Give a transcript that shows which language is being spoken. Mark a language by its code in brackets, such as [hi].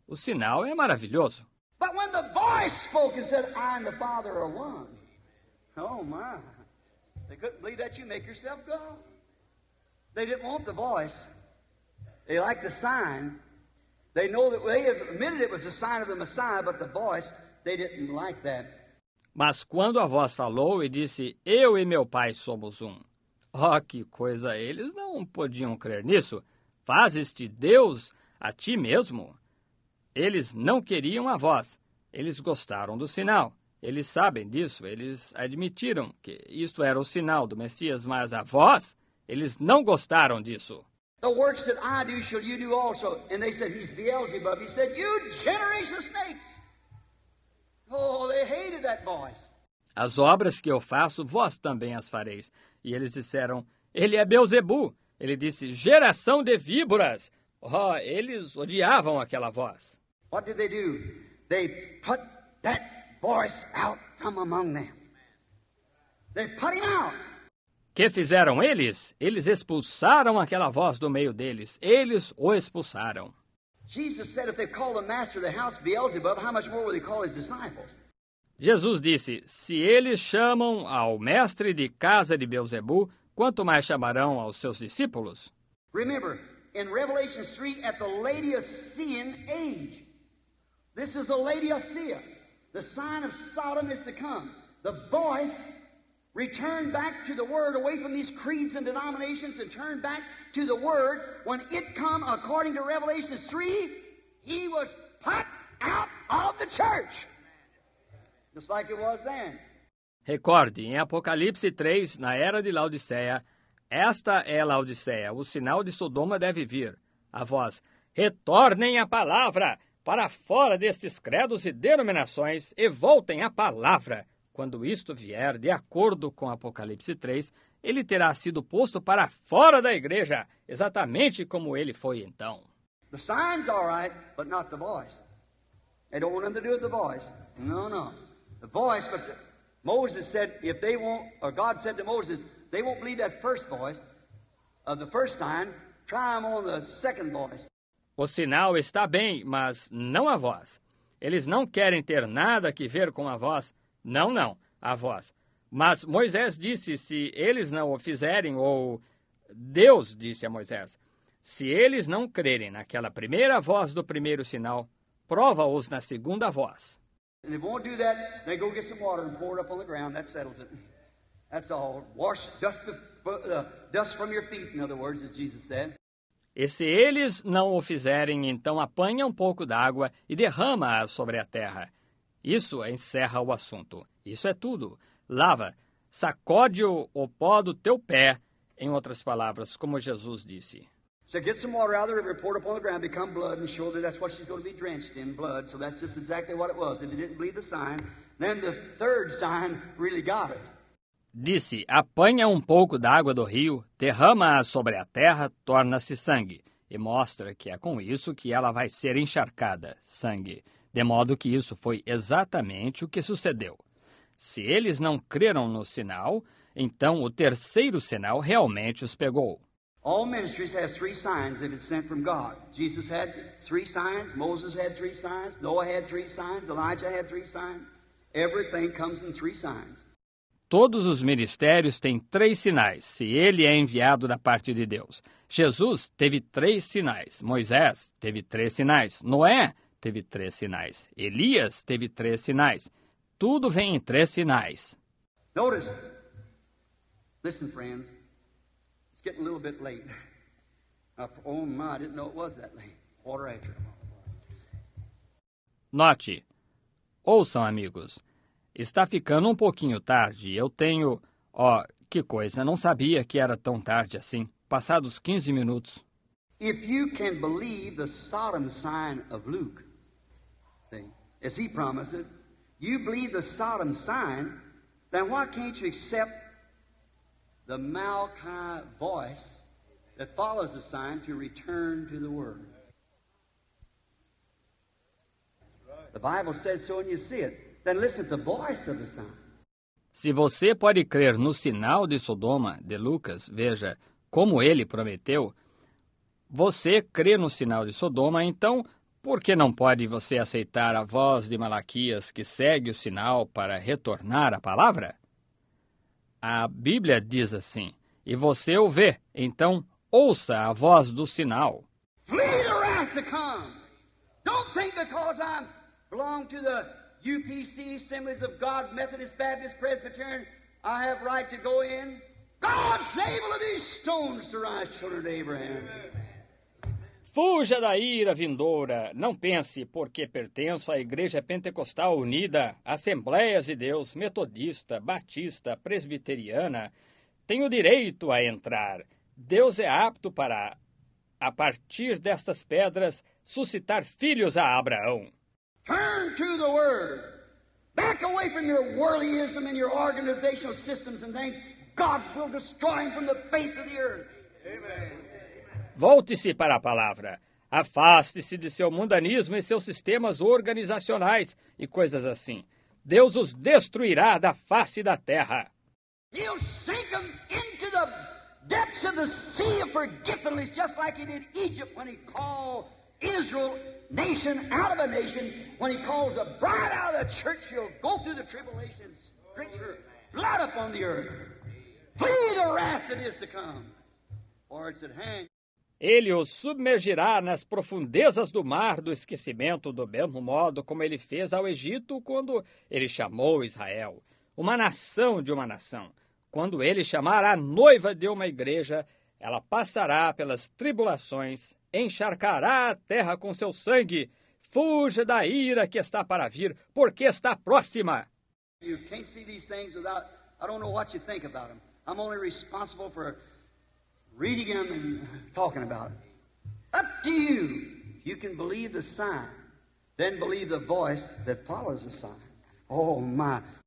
[pt] O sinal é maravilhoso. [en] But when the voice spoke and said, I and the Father are one. Oh, my. They couldn't believe that you make yourself God. They didn't want the voice. They liked the sign. They know that they admitted it was a sign of the Messiah, but the voice, they didn't like that. [pt] Mas quando a voz falou e disse, eu e meu pai somos um. Oh, que coisa, eles não podiam crer nisso. Faz este Deus a ti mesmo. Eles não queriam a voz. Eles gostaram do sinal. Eles sabem disso, eles admitiram que isto era o sinal do Messias, mas a voz, eles não gostaram disso. [en] The works that I do shall you do also. And they said, he's Beelzebub. He said, you generation of snakes. Oh, they hated that voice. [pt] As obras que eu faço, vós também as fareis. E eles disseram, ele é Beelzebu. Ele disse, geração de víboras. Oh, eles odiavam aquela voz. [en] What did they do? They put that voice out from among them. They put him out. [pt] Que fizeram eles? Eles expulsaram aquela voz do meio deles. Eles o expulsaram. [en] Jesus said if they call the master of the house Beelzebub, how much more will they call his disciples? [pt] Jesus disse, se eles chamam ao mestre de casa de Beelzebu, quanto mais chamarão aos seus discípulos? [en] Remember, in Revelation 3, at the Laodicean age, this is the Laodicea. The sign of Sodom is to come. The voice returned back to the Word, away from these creeds and denominations, and turned back to the Word. When it come, according to Revelation 3, he was put out of the church. Just like it was then. [pt] Recorde, em Apocalipse 3, na era de Laodicea, esta é Laodicea, o sinal de Sodoma deve vir. A voz, retornem a palavra para fora destes credos e denominações e voltem a palavra. quando isto vier, de acordo com Apocalipse 3, ele terá sido posto para fora da igreja, exatamente como ele foi então. [en] The sign's all right, but not the voice. They don't want nothing to do with the voice. No, no. The voice, but Moses said, if they won't, or God said to Moses, they won't believe that first voice of the first sign, try them on the second voice. [pt] O sinal está bem, mas não a voz. Eles não querem ter nada que ver com a voz. Não, não, a voz. Mas Moisés disse, se eles não o fizerem, ou Deus disse a Moisés, se eles não crerem naquela primeira voz do primeiro sinal, prova-os na segunda voz. [en] And if they won't do that, they go get some water and pour it up on the ground. That settles it. That's all. Wash dust, dust from your feet, in other words, as Jesus said. [pt] E se eles não o fizerem, então apanha um pouco d'água e derrama-a sobre a terra. Isso encerra o assunto. Isso é tudo. Lava, sacode o pó do teu pé, em outras palavras, como Jesus disse. [en] So get some water out of the river, pour it upon the ground, become blood, and surely that's what she's going to be drenched in, blood. So that's just exactly what it was. If they didn't believe the sign, then the third sign really got it. [pt] Disse, apanha um pouco d'água do rio, derrama-a sobre a terra, torna-se sangue, e mostra que é com isso que ela vai ser encharcada, sangue. De modo que isso foi exatamente o que sucedeu. Se eles não creram no sinal, então o terceiro sinal realmente os pegou. [en] All ministries have three signs that is sent from God. Jesus had three signs, Moses had three signs, Noah had three signs, Elijah had three signs. Everything comes in three signs. [pt] Todos os ministérios têm três sinais, se ele é enviado da parte de Deus. Jesus teve três sinais, Moisés teve três sinais, Noé teve três sinais, Elias teve três sinais. Tudo vem em três sinais. [en] Notice, listen, friends, it's getting a little bit late. Oh my, I didn't know it was that late. Quarter after. [pt] Note, ouçam, amigos. Está ficando um pouquinho tarde, eu tenho... Ó, oh, que coisa, não sabia que era tão tarde assim. Passados 15 minutos. [en] If you can believe the Sodom sign of Luke, as he promised, you believe the Sodom sign, then why can't you accept the Malachi voice that follows the sign to return to the Word? The Bible says so and you see it. Then listen to the voice of the sign. [pt] Se você pode crer no sinal de Sodoma, de Lucas, veja, como ele prometeu, você crê no sinal de Sodoma, então por que não pode você aceitar a voz de Malaquias que segue o sinal para retornar a palavra? A Bíblia diz assim, e você o vê, então ouça a voz do sinal. [en] Flee the wrath to come. Don't think because I belong to the UPC, Assemblies of God, Methodist, Baptist, Presbyterian, I have right to go in. God's able of these stones to rise, children of Abraham. [pt] Fuja da ira vindoura. Não pense, porque pertenço à Igreja Pentecostal Unida, Assembleias de Deus, Metodista, Batista, Presbiteriana, tenho direito a entrar. Deus é apto para, a partir destas pedras, suscitar filhos a Abraão. [en] Turn to the Word. Back away from your worldlyism and your organizational systems and things. God will destroy him from the face of the earth. [pt] Volte-se para a palavra. Afaste-se de seu mundanismo e seus sistemas organizacionais e coisas assim. Deus os destruirá da face da terra. [en] He'll sink them into the depths of the sea of forgetfulness, just like he did Egypt when he called Israel nation out of a nation, when he calls a bride out of the church, she'll go through the tribulations, drink her blood upon the earth. Flee the wrath that is to come, or it's at hand. [pt] Ele os submergirá nas profundezas do mar do esquecimento, do mesmo modo como ele fez ao Egito quando ele chamou Israel, uma nação de uma nação. Quando ele chamar a noiva de uma igreja, ela passará pelas tribulações, encharcará a terra com seu sangue. Fuja da ira que está para vir, porque está próxima. [en] You can't see these things without, I don't know what you think about them. I'm only responsible for reading them and talking about them. Up to you. You can believe the sign, then believe the voice that follows the sign. Oh my.